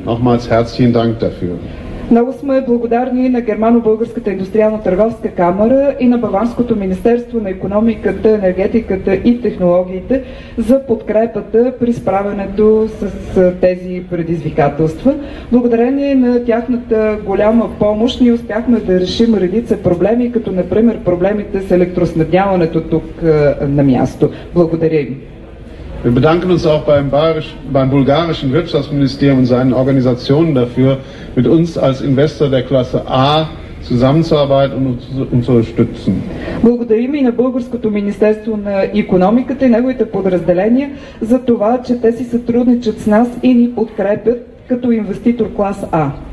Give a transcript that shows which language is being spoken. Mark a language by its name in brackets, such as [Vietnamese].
[German] Nochmals herzlichen Dank dafür. [Bulgarian] Много сме благодарни на Германо-Българската индустриално-търговска камара и на Баванското министерство на икономиката, енергетиката и технологиите за подкрепата при справянето с тези предизвикателства. Благодарение на тяхната голяма помощ ние успяхме да решим редица проблеми, като например проблемите с електроснабдяването тук на място. Благодаря им. [German] Wir bedanken uns auch beim bulgarischen Wirtschaftsministerium und seinen Organisationen dafür, mit uns als Investor der Klasse A zusammenzuarbeiten und uns zu unterstützen. [Bulgarian] Благодарим и на Българското министерство на икономиката и неговите подразделения за това, че те си сътрудничат с нас и ни подкрепят като инвеститор клас А.